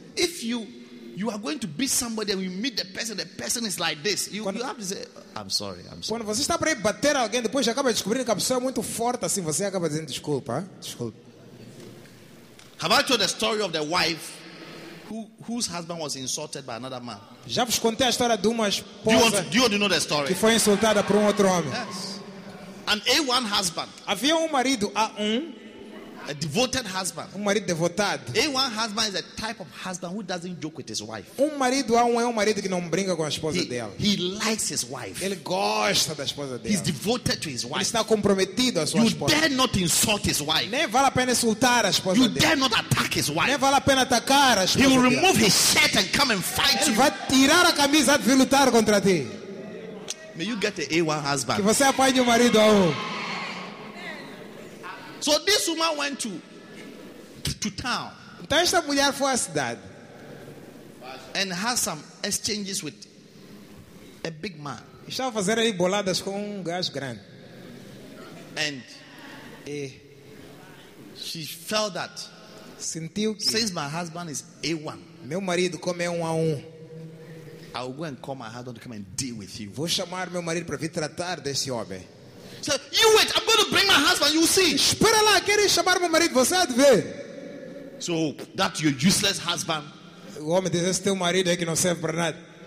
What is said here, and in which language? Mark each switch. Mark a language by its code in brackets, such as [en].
[en] if you are going to beat somebody and you meet the person is like this, you have to say, I'm sorry. [pt] Quando você está para bater alguém, depois já acaba descobrindo que a pessoa é muito forte assim, você acaba dizendo desculpa. [en] Have I told the story of the wife whose husband was insulted by another man? [pt] Já vos contei a história de uma esposa. [en] Do you know the story? [pt] Que foi insultada por outro homem. [en] Yes. An A1 husband. [pt] Havia marido A1. [en] A devoted husband. [pt] Marido devotado. [en] A1 husband is a type of husband who doesn't joke with his wife. [pt] Marido A1 marido que não brinca com a esposa dela. [en] He likes his wife. [pt] Ele gosta da esposa dele. [en] He's devoted to his wife. [pt] Ele está comprometido à sua [en] you [pt] esposa. [en] You dare not insult his wife. [pt] Nem vale a pena insultar a esposa [en] you [pt] dele. [en] You dare not attack his wife. [pt] Nem vale a pena atacar a esposa dele. [en] He will [pt] dele. [en] Remove his shirt and come and fight [pt] ele [en] you. [pt] Vai tirar a camisa e vir lutar contra ti. [en] May you get the A1 husband. [pt] Que você apanhe o marido A1. [en] So this woman went to town. [pt] Então esta mulher foi à cidade. [en] And had some exchanges with a big man. [pt] Estava a fazer aí boladas com gajo grande. [en] And she felt that. [pt] Sentiu que. [en] Since my husband is A1. [pt] Meu marido come A1. [en] I will go and call my husband to come and deal with you. [pt] Vou chamar meu marido para vir tratar desse homem. [en] So you wait. I'm going to bring my husband. You see. [pt] Espera lá, queres chamar meu marido? Você há de ver. [en] So that's your useless husband. [pt] O homem diz: esse teu marido é que não serve para nada.